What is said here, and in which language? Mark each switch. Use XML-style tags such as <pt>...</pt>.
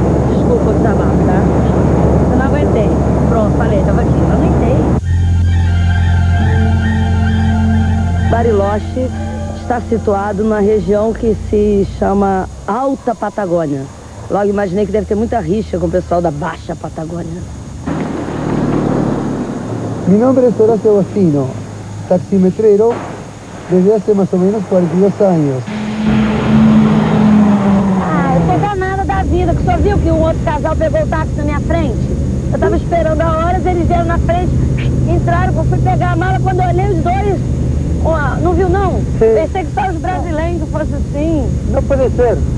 <pt>Desculpa, eu desabafo, tá? Eu não aguentei. Pronto, falei, tava aqui. Eu aguentei. Bariloche está situado na região que se chama Alta Patagônia. Logo imaginei que deve ter muita rixa com o pessoal da Baixa Patagônia.</pt> <es>Mi nombre es Horacio Agostino, taximetrero desde hace más o menos 42 años.</es> <pt>Ah, eu sou danada da vida, que só viu que um outro casal pegou o táxi na minha frente. Eu estava esperando a horas, eles vieram na frente, entraram, eu fui pegar a mala, quando eu olhei os dois, Não viu, não? Sim. Pensei que só os brasileiros fossem assim. Não pode ser.</pt>